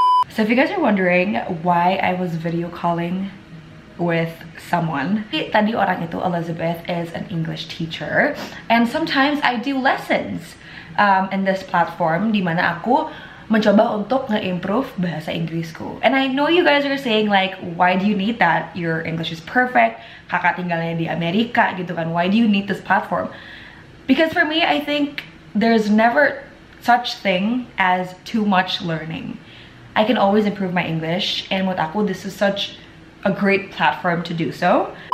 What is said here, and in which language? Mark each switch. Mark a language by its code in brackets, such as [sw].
[en] So if you guys are wondering why I was video calling with someone, [id] tadi orang itu [en] Elizabeth is an English teacher, and sometimes I do lessons in this platform [id] di mana aku mencoba untuk nge-improve bahasa Inggrisku. [en] And I know you guys are saying like, why do you need that? Your English is perfect. [id] Kakak tinggalnya di Amerika gitu kan. [en] Why do you need this platform? Because for me, I think there's never such thing as too much learning. I can always improve my English, and with [id] aku [en] this is such a great platform to do so.